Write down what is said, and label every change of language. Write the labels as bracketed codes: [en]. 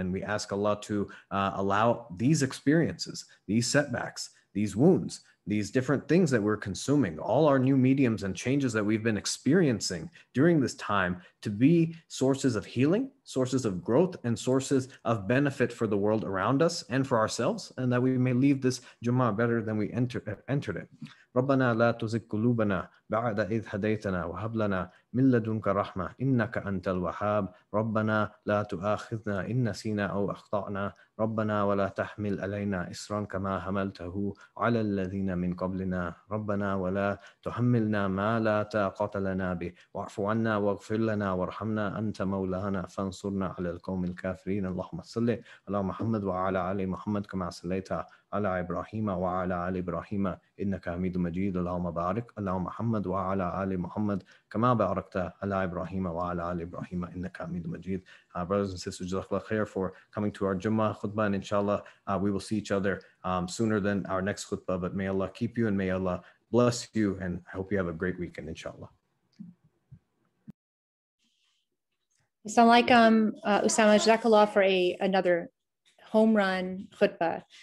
[en] And we ask Allah to allow these experiences, these setbacks, these wounds, these different things that we're consuming, all our new mediums and changes that we've been experiencing during this time, to be sources of healing, sources of growth, and sources of benefit for the world around us and for ourselves, and that we may leave this Jummah better than we entered it. [ar] ربنا لا تزغ قلوبنا بعد إذ هديتنا وهب لنا من لدنك رحمة إنك أنت الوهاب ربنا لا تؤاخذنا إن نسينا أو أخطأنا ربنا ولا تحمل علينا إصرا كما حملته على الذين من قبلنا ربنا ولا تحملنا ما لا طاقة لنا به واعف عنا واغفر لنا وارحمنا أنت مولانا فانصرنا على القوم الكافرين اللهم صل على محمد وعلى آل محمد كما صليت على إبراهيم وعلى آل إبراهيم إنك حميد مجيد اللهم بارك على محمد وعلى آل محمد كما باركت على إبراهيم وعلى آل إبراهيم إنك حميد مجيد. [en] Brothers and sisters, JazakAllah khair for coming to our Jummah khutbah, and inshallah we will see each other sooner than our next khutbah, but may Allah keep you and may Allah bless you, and I hope you have a great weekend inshallah. Assalamu alaikum, Usama, JazakAllah for another home run khutbah.